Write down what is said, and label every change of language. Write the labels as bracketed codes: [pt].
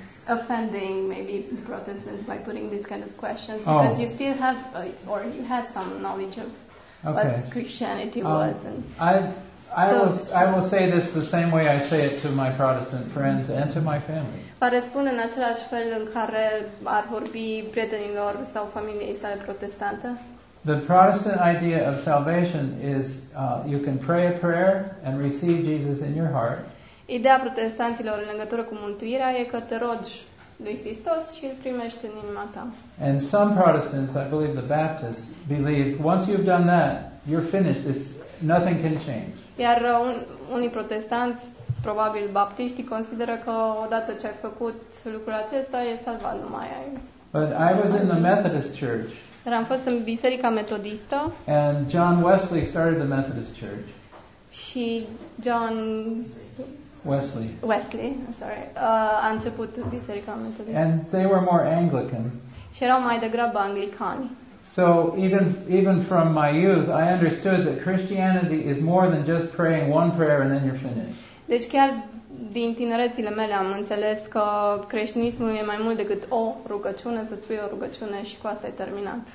[en] Offending maybe Protestants by putting these kind of questions because you still have or you had some knowledge of what Christianity was. And I will say this the same way I say it to my Protestant friends and to my family. [ro] Va răspunde în același fel în care ar vorbi prietenilor sau familiei sale protestante. [en] The Protestant idea of salvation is you can pray a prayer and receive Jesus in your heart. [ro] Ideea protestanților în legătură cu mântuirea e că te rogi lui Hristos și îl primești în inima ta. [en] And some Protestants, I believe the Baptists, believe once you've done that, you're finished. It's nothing can change. [ro] Iar unii protestanți, probabil baptiștii, consideră că odată ce ai făcut lucrul acesta, e salvat, nu mai ai. [en] But I was in the Methodist Church. [ro] Dar am fost în biserica metodistă. [en] And John Wesley started the Methodist Church. [ro] Și John Wesley, sorry, a început biserica metodistă. [en] And they were more Anglican. [ro] Și erau mai degrabă anglicani. [en] So even from my youth, I understood that Christianity is more than just praying one prayer and then you're finished. [ro] Deci chiar din tinerețile mele am înțeles că creștinismul e mai mult decât o rugăciune, să spui o rugăciune și cu asta e terminat.